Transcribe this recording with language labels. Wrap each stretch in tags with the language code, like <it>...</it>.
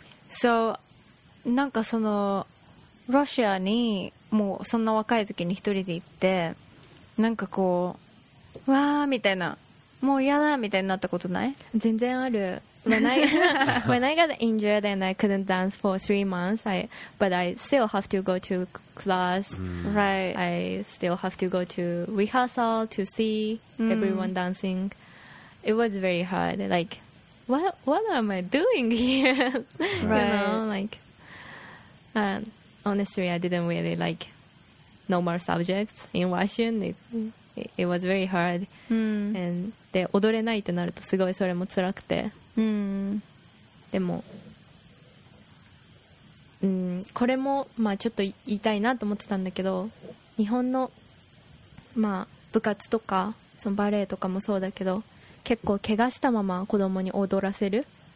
<ja>So, なんかそのロシアにもうそんな若い時に一人で行ってなんかこうわーみたいなもう嫌だみたいになったことない？全然ある。</ja> <en>When I got injured and I couldn't dance for 3 months, but I still have to go to class. Right. I still have to go to rehearsal to see everyone dancing. It was very hard. Like, what am I doing here? Right. You know, like, Honestly, I didn't really like normal subjects in Russian. It was very hard.</en> <ja>And で踊れないってなるとすごいそれも辛くて。でも、これもまあちょっと言いたいなと思ってたんだけど、日本のまあ部活とかそのバレエとかもそうだけど、結構怪我したまま子供に踊らせる。</ja>